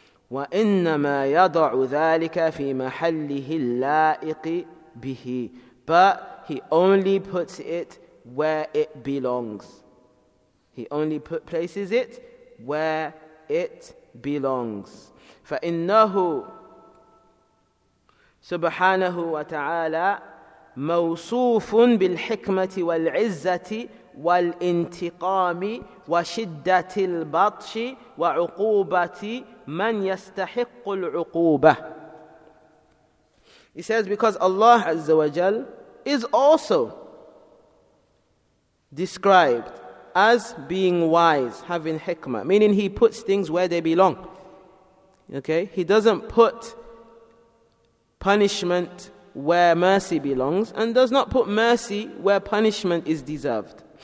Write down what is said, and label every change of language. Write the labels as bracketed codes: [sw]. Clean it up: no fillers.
[ar] وَإِنَّمَا يَضَعُ ذَٰلِكَ فِي مَحَلِّهِ اللَّائِقِ بِهِ. [en] But He only puts it where it belongs. He only places it where it belongs. [ar] فَإِنَّهُ سُبْحَانَهُ وَتَعَالَى موصوف بالحكمة والعزة والانتقام وشدة البطش وعقوبة من يستحق العقوبة. [en] He says, because Allah Azza wa Jal is also described as being wise, having hikmah, meaning He puts things where they belong. Okay, He doesn't put punishment where mercy belongs, and does not put mercy where punishment is deserved.